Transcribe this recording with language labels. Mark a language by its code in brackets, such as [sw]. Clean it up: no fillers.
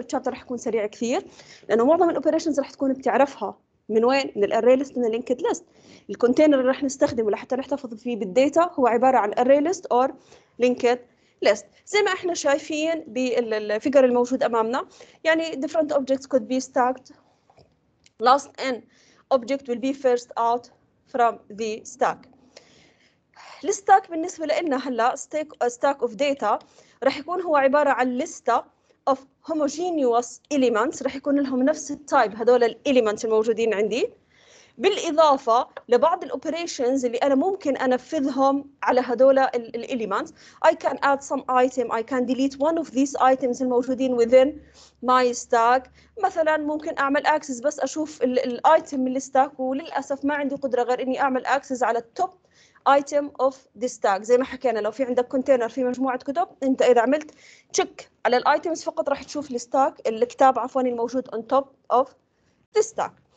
[ar] الشابتر راح يكون سريع كثير لأنه معظم الأوبريشنز راح تكون بتعرفها من وين؟ من الأري ليست من اللينكد ليست. الكونتينر اللي راح نستخدمه لحتى نحتفظ فيه بالداتا هو عبارة عن أري ليست أور لينكد ليست. زي ما احنا شايفين بالفيجر الموجود أمامنا، يعني [en] different objects could be stacked. Last in object will be first out from the stack. [ar] الستاك بالنسبة لنا هلأ ستاك اوف داتا رح يكون هو عبارة عن لستة [en] of homogeneous elements، [ar] رح يكون لهم نفس التايب هذول الاليمنت الموجودين عندي، بالإضافة لبعض الأوبريشنز اللي أنا ممكن أنفذهم على هدول الإليمنت. [en] I can add some item, I can delete one of these items [ar] الموجودين [en] within my stack. [ar] مثلا ممكن أعمل access بس أشوف الايتم من الستاك، وللأسف ما عندي قدرة غير إني أعمل access على التوب [en] item of the stack. [ar] زي ما حكينا لو في عندك كونتينر في مجموعة كتب، أنت إذا عملت check على الايتمز فقط راح تشوف الستاك الكتاب عفوا الموجود [en] on top of the stack.